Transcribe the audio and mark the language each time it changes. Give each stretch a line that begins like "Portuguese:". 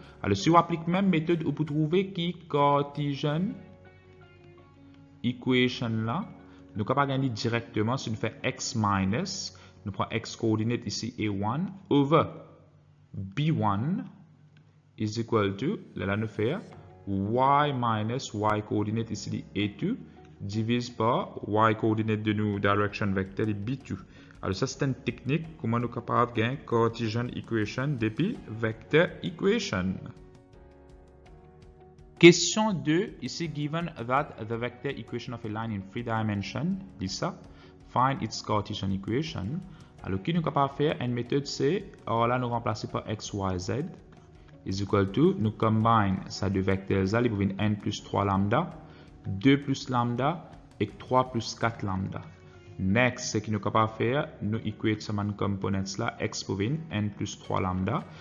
French: Alors si vous appliquez même méthode, vous pouvez trouver qui Cartesian equation là, nous pouvons gagner directement si nous faisons x minus, nous prenons x coordinate ici A1,
English: over B1 is equal to,
French: là nous faire y minus y coordinate ici de A2 divisé par y coordinate de nous direction vector de B2. Alors ça c'est une technique comment nous capable gagner Cartesian equation depuis vector equation.
English: Question 2 ici given that the vector equation of a line in 3 dimension is ça find its Cartesian equation.
French: Alors qui nous capable faire une méthode c'est alors là nous remplacer par x y z
English: is equal to,
French: nous combine ça deux vecteurs, il y a n plus 3 lambda, 2 plus lambda et 3 plus 4 lambda. Next, ce qui nous capable de faire, nous équate ce même components là, x pour n plus 3 lambda.